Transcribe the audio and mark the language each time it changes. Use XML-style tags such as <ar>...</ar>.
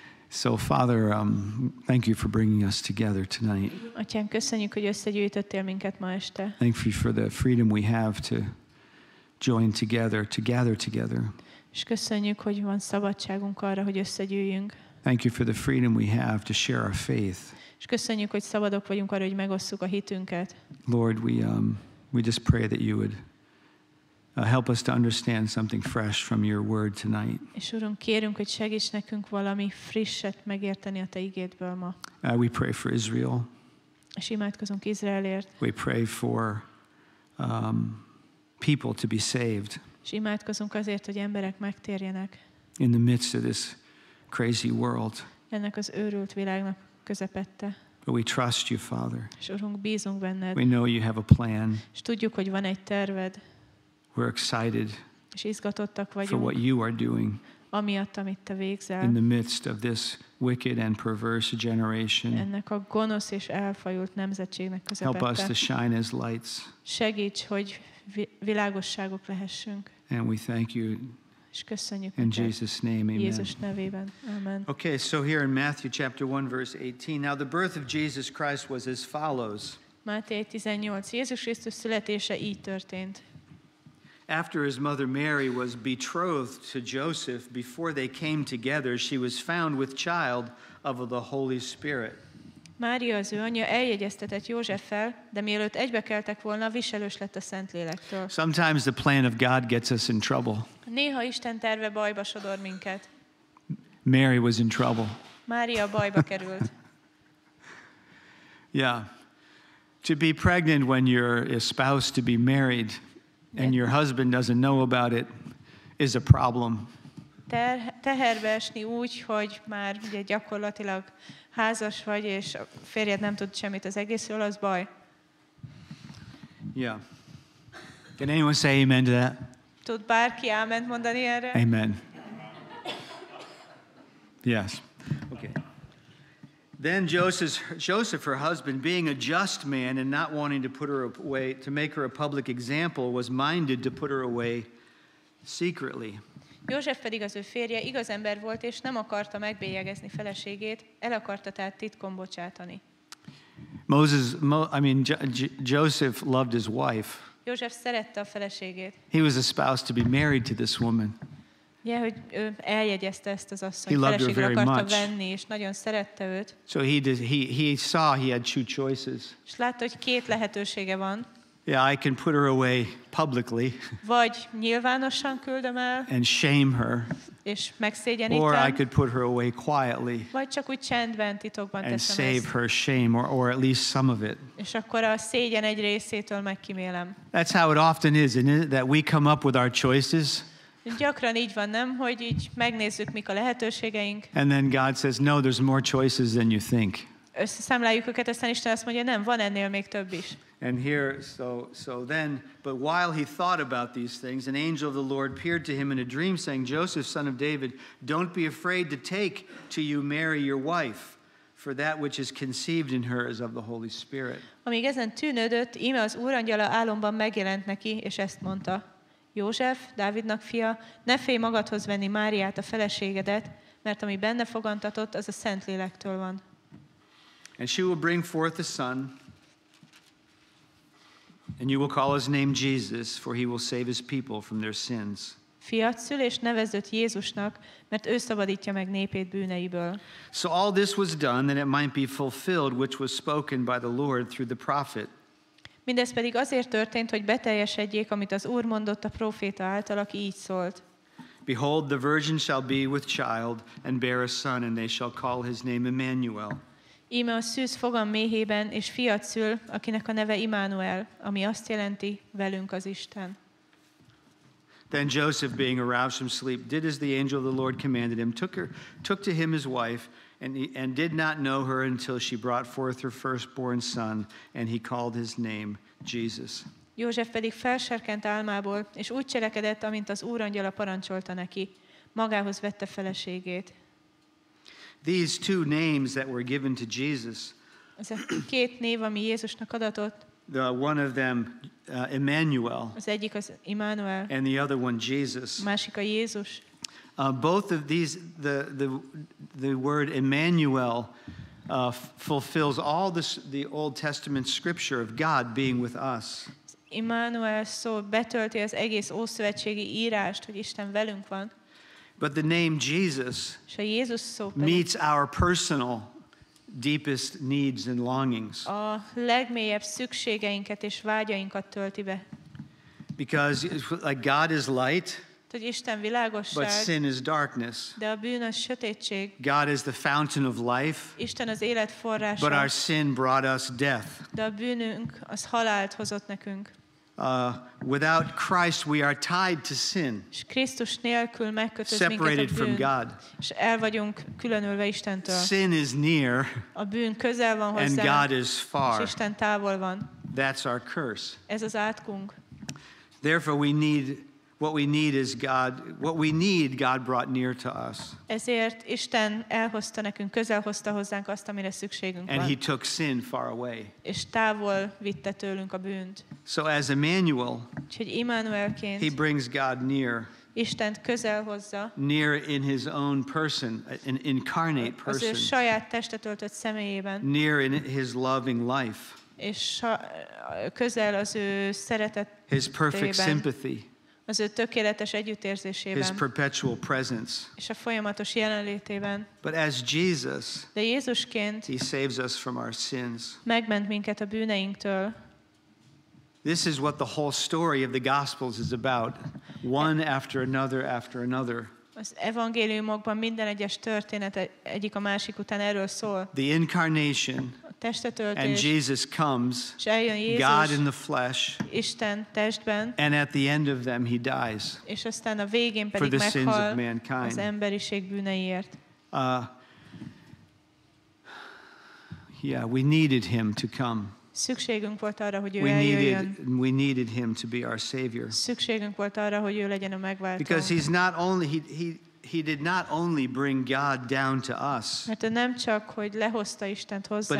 <en>So Father, thank you for bringing us together tonight.</en> <hu>Atyám, köszönjük, hogy összegyűjtöttél minket ma este.</hu> <en>Thank you for the freedom we have to join together, to gather together.</en> <hu>És köszönjük, hogy van szabadságunk arra, hogy összegyűjjünk.</hu> <en>Thank you for the freedom we have to share our faith.</en> <hu>És köszönjük, hogy szabadok vagyunk arra, hogy megosszuk a hitünket.</hu> <en>Lord, we just pray that you would help us to understand something fresh from your word tonight.</en> <hu>És Urunk, kérünk, hogy segíts nekünk valami frisset megérteni a te igédből ma.</hu> <en>We pray for Israel.</en> <hu>És imádkozunk Izraelért.</hu> <en>We pray for people to be saved.</en> <hu>És imádkozunk azért, hogy emberek megtérjenek.</hu> <en>in the midst of this crazy world.</en> <hu>Ennek az őrült világnak közepette.</hu> <en>But we trust you, Father.</en> <hu>És Urunk, bízunk benned.</hu> <en>We know you have a plan.</en> <hu>És tudjuk, hogy van egy terved.</hu> <en>We're excited.</en> <hu>És izgatottak vagyunk.</hu> <en>For what you are doing.</en> <hu>Amiatt, amit te végzel.</hu> <en>In the midst of this wicked and perverse generation.</en> <hu>Ennek a gonosz és elfajult nemzetségnek közepette.</hu> <en>Help us to shine as lights.</en> <hu>Segíts, hogy világosságok lehessünk.</hu> <en>And we thank you. In Jesus' name, amen.</en> <hu>Jézus nevében. Amen.</hu> <en>Okay, so here in Matthew chapter 1, verse 18. Now the birth of Jesus Christ was as follows.</en> <hu>Máté 18. Jézus Krisztus születése így történt.</hu> <en>After his mother Mary was betrothed to Joseph, before they came together, she was found with child of the Holy Spirit.</en> <hu>Mária az ő anyja eljegyeztetett Józseffel, de mielőtt egybekeltek volna, viselős lett a Szentlélektől.</hu> <en>Sometimes the plan of God gets us in trouble.</en> <hu>Néha Isten terve bajba sodor minket.</hu> <en>Mary was in trouble.</en> <hu>Mária bajba került.</hu> <en>Yeah. To be pregnant when you're a spouse to be married and your husband doesn't know about it is a problem.</en> <hu>Teherbe esni úgy, hogy már ugye gyakorlatilag házas vagy, és a férjed nem tud semmit az egészről, az baj.</hu> <en>Yeah. Can anyone say amen to that?</en> <hu>Tud bárki áment mondani erre?</hu> <en>Amen. Yes. Okay. Then Joseph, her husband, being a just man and not wanting to put her away, to make her a public example, was minded to put her away secretly.</en> <hu>József pedig az ő férje igaz ember volt, és nem akarta megbélyegezni feleségét, el akarta tehát titkon bocsátani.</hu> <en>Joseph loved his wife.</en> <hu>József szerette a feleségét.</hu> <en>He was a spouse to be married to this woman.</en> <hu>Yeah, hogy ő eljegyezte ezt az asszonyt, feleségre akarta venni, és nagyon szerette őt.</hu> <en>So he saw he had two choices.</en> <hu>És látta, hogy két lehetősége van.</hu> <en>Yeah, I can put her away publicly.</en> <hu>Vagy nyilvánosan küldöm el.</hu> <en>And shame her.</en> <hu>És megszégyenítem.</hu> <en>Or I could put her away quietly.</en> <hu>Vagy csak úgy csendben, titokban</hu> <en>and</en> <hu>teszem</hu> <en>save</en> <hu>ezt.</hu> <en>Her shame, or at least some of it.</en> <hu>És akkor a szégyen egy részétől megkímélem.</hu> <en>That's how it often is, isn't it? That we come up with our choices.</en> <hu>Gyakran így van, nem, hogy így megnézzük, mik a lehetőségeink.</hu> <en>And then God says, no, there's more choices than you think.</en> <hu>Összeszámláljuk őket, aztán Isten azt mondja, nem, van ennél még több is.</hu> <en>And here, so then, but while he thought about these things, an angel of the Lord appeared to him in a dream, saying, Joseph, son of David, don't be afraid to take to you Mary, your wife, for that which is conceived in her is of the Holy Spirit.</en> <hu>Amíg ezen tűnődött, íme az úrangyala álomban megjelent neki, és ezt mondta, József, Dávidnak fia, ne félj magadhoz venni Máriát, a feleségedet, mert ami benne fogantatott, az a Szentlélektől van.</hu> <en>And she will bring forth a son, and you will call his name Jesus, for he will save his people from their sins.</en> <hu>Fiat szül és nevezett Jézusnak, mert ő szabadítja meg népét bűneiből.</hu> <en>So all this was done that it might be fulfilled, which was spoken by the Lord through the prophet.</en> <hu>Mindez pedig azért történt, hogy beteljesedjék, amit az Úr mondott a próféta által, aki így szólt.</hu> <en>Behold, the virgin shall be with child and bear a son, and they shall call his name Emmanuel.</en> <hu>Íme a szűz fogam méhében, és fiat szül, akinek a neve Immanuel, ami azt jelenti, velünk az Isten.</hu> <en>Then Joseph, being aroused from sleep, did as the angel of the Lord commanded him, took to him his wife, and did not know her until she brought forth her firstborn son, and he called his name Jesus.</en> <hu>József pedig felserkent álmából, és úgy cselekedett, amint az úrangyala parancsolta neki. Magához vette feleségét.</hu> <en>These two names that were given to Jesus.</en> <hu>Ez a két név, ami Jézusnak adatott.</hu> <en>The one of them, Emmanuel.</en> <hu>Az egyik az Immanuel.</hu> <en>And the other one, Jesus.</en> <hu>Másik a Jézus.</hu> <en>Both of these, the word Emmanuel fulfills all the Old Testament scripture of God being with us.</en> <hu>Immanuel szó betölti az egész ószövetségi írást, hogy Isten velünk van.</hu> <en>But the name Jesus meets our personal deepest needs and longings.</en> <hu>A legmélyebb szükségeinket és vágyainkat tölti be.</hu> <en>Because like God is light,</en> <hu>hogy Isten világosság,</hu> <en>but sin is darkness.</en> <hu>De a bűn a sötétség.</hu> <en>God is the fountain of life,</en> <hu>Isten az élet forrása,</hu> <en>but our sin brought us death.</en> <hu>De a bűnünk az halált hozott nekünk.</hu> <en>Without Christ, we are tied to sin. Separated from God. Sin is near.</en> <hu>A bűn közel van hozzá,</hu> <en>and God is far.</en> <hu>És Isten távol van.</hu> <en>That's our curse.</en> <hu>Ez az átkunk.</hu> <en>Therefore, we need what we need is God. What we need, God brought near to us.</en> <hu>Ezért Isten elhozta nekünk, közel hozta hozzánk azt, amire szükségünk van.</hu> <en>And he took sin far away.</en> <hu>És távol vitte tőlünk a bűnt.</hu> <en>So as Emmanuel,</en> <hu>úgyhogy Emmanuelként,</hu> <en>he brings God near.</en> <hu>Isten közel hozza.</hu> <en>Near in his own person, an incarnate person.</en> <hu>Az ő saját testet öltött személyében.</hu> <en>Near in his loving life.</en> <hu>És közel az ő szeretetében.</hu> <en>His perfect sympathy.</en> <hu>Az ő tökéletes együttérzésében.</hu> <en>His perpetual presence.</en> <hu>És a folyamatos jelenlétében.</hu> <en>But as Jesus,</en> <hu>de Jézusként,</hu> <en>he saves us from our sins.</en> <hu>Megment minket a bűneinktől.</hu> <en>This is what the whole story of the Gospels is about. One after another after another.</en> <hu>Az evangéliumokban minden egyes történet egyik a másik után erről szól.</hu> <en>The incarnation. And Jesus comes, God in the flesh,</en> <hu>Isten testben,</hu> <en>and at the end of them he dies</en> <hu>és aztán a végén pedig</hu> <en>for the sins of mankind.</en> <hu>Az emberiség bűneiért.</hu> <en>Yeah, we needed him to come.</en> <hu>Szükségünk volt arra, hogy ő eljöjjön.</hu> <en>We needed him to be our savior.</en> <hu>Szükségünk volt arra, hogy ő legyen a megváltó.</hu> <en>Because he's not only he did not only bring God down to us,</en> <hu>mert nem csak, hogy lehozta Istent hozzánk,</hu>